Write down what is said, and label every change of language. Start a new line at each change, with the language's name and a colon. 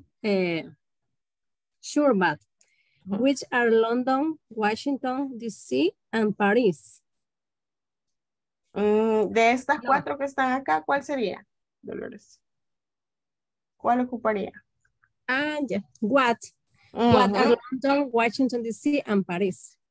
English: I'm not sure, but which are London, Washington, D.C., and Paris?
Spanish: De estas cuatro que están acá, ¿cuál sería, Dolores? ¿Cuál ocuparía?
English: What are London, Washington, D.C., and Paris?